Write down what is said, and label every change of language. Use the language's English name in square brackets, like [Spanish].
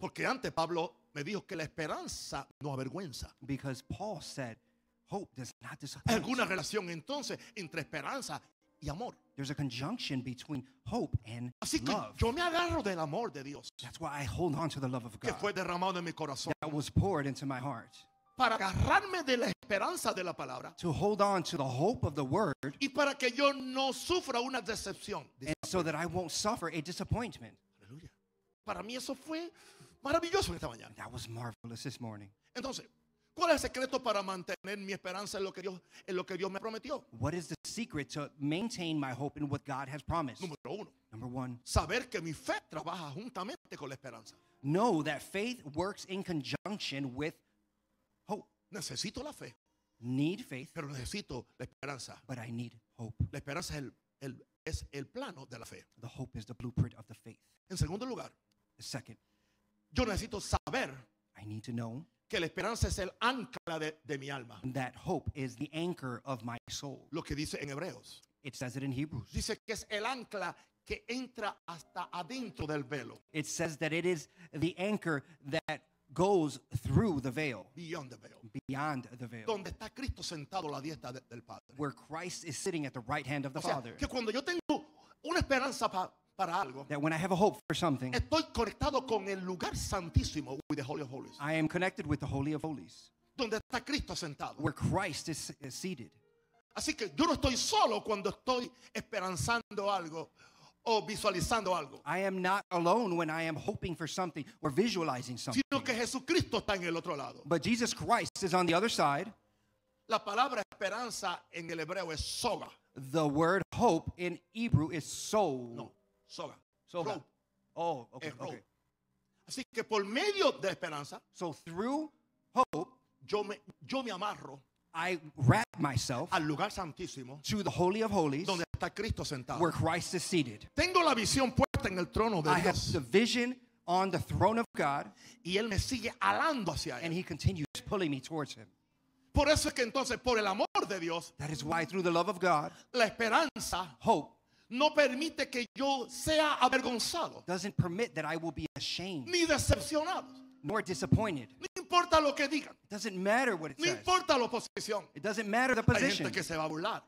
[Spanish] Porque antes Pablo me dijo que la esperanza no avergüenza. [English] Because Paul said hope does not disappoint. [Spanish] Hay alguna relación entonces entre esperanza y amor. [English] There's a conjunction between hope and love. [Spanish] Así que yo me agarro del amor de Dios. [English] That's why I hold on to the love of God. [Spanish] Que fue derramado en mi corazón. [English] That was poured into my heart. [Spanish] Para agarrarme de la esperanza de la palabra. [English] To hold on to the hope of the word. [Spanish] Y para que yo no sufra una decepción. [English] And so that I won't suffer a disappointment. [Spanish] Aleluya. Para mí eso fue maravilloso esta mañana. [English] That was marvelous this morning. [Spanish] Entonces, ¿cuál es el secreto para mantener mi esperanza en lo que Dios, en lo que Dios me prometió? [English] What is the secret to maintain my hope in what God has promised? [Spanish] Número uno. [English] Number one. [Spanish] Saber que mi fe trabaja juntamente con la esperanza. [English] Know that faith works in conjunction with hope. [Spanish] Necesito la fe. [English] Need faith. [Spanish] Pero necesito la esperanza. [English] But I need hope. [Spanish] La esperanza es el, el, es el plano de la fe. [English] The hope is the blueprint of the faith. [Spanish] En segundo lugar, [English] the second, [Spanish] yo necesito saber, [English] I need to know, [Spanish] que la esperanza es el ancla de mi alma. [English] That hope is the anchor of my soul. [Spanish] Lo que dice en Hebreos. [English] It says it in Hebrews. [Spanish] Dice que es el ancla que entra hasta adentro del velo. [English] It says that it is the anchor that goes through the veil. Beyond the veil. Beyond the veil. [Spanish] Donde está Cristo sentado a la diestra del Padre. [English] Where Christ is sitting at the right hand of the Father. [Spanish] Que cuando yo tengo una esperanza para algo, [English] that when I have a hope for something, [Spanish] estoy conectado con el lugar santísimo, [English] with the Holy of Holies. I am connected with the Holy of Holies. [Spanish] Donde está Cristo sentado. [English] Where Christ is seated. [Spanish] Así que yo no estoy solo cuando estoy esperanzando algo o visualizando algo. [English] I am not alone when I am hoping for something or visualizing something. [Spanish] Sino que Jesucristo está en el otro lado. [English] But Jesus Christ is on the other side. [Spanish] La palabra esperanza en el hebreo es soga. [English] The word hope in Hebrew is soul. [Spanish] No, soga. [English] Soga. Rope. Oh, okay. [Spanish] Así que por medio de esperanza, [English] so through hope, [Spanish] yo me amarro. [English] I wrap myself [Spanish] al lugar santísimo, [English] to the Holy of Holies, [Spanish] donde está Cristo sentado, [English] where Christ is seated. [Spanish] Tengo la visión puesta en el trono de [English] I [Spanish] Dios. [English] Have the vision on the throne of God, [Spanish] y él me sigue alando hacia [English] and [Spanish] él. [English] He continues pulling me towards him. [Spanish] Por eso es que entonces, por el amor de Dios, [English] that is why through the love of God, [Spanish] la esperanza, [English] hope, [Spanish] no permite que yo sea avergonzado, [English] doesn't permit that I will be ashamed, [Spanish] ni decepcionado, [English] nor disappointed. [Spanish] No importa lo que digan. [English] It doesn't matter what it [Spanish] no [English] says. [Spanish] Importa la oposición. [English] It doesn't matter the position. [Spanish] Hay gente que se va a burlar.